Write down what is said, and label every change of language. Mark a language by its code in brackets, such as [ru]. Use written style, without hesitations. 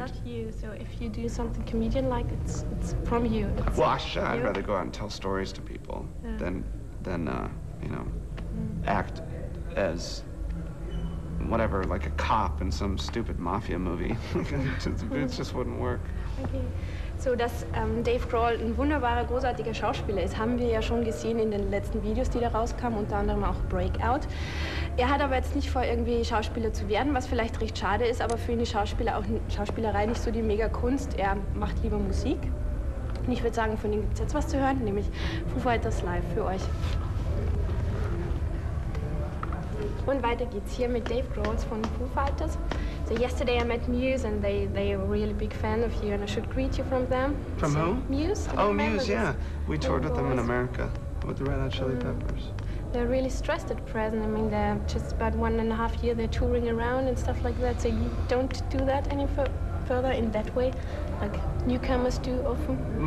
[en] Not you, so if you do something comedian-like, it's from you. It's well, like, I'd rather go out and tell stories to people than act as whatever, like a cop in some stupid mafia movie. It just wouldn't work. Okay. [de] So, dass Dave Grohl ein wunderbarer, großartiger Schauspieler ist, haben wir ja schon gesehen in den letzten Videos, die da rauskamen, unter anderem auch Breakout. Er hat aber jetzt nicht vor, irgendwie Schauspieler zu werden, was vielleicht recht schade ist, aber für ihn ist Schauspieler auch Schauspielerei nicht so die Megakunst. Er macht lieber Musik. Und ich würde sagen, von ihm gibt es jetzt was zu hören, nämlich Foo Fighters Live für euch. Und weiter geht's hier mit Dave Grohl von Foo Fighters. [en] So yesterday I met Muse and they are a really big fan of you and I should greet you from them. From so, whom? Muse. Oh, Muse, yeah. We toured with them in America with the Red Hot Chili Peppers. They're really stressed at present. I mean, they're just about 1.5 years, they're touring around and stuff like that. So you don't do that any further in that way, like newcomers do often?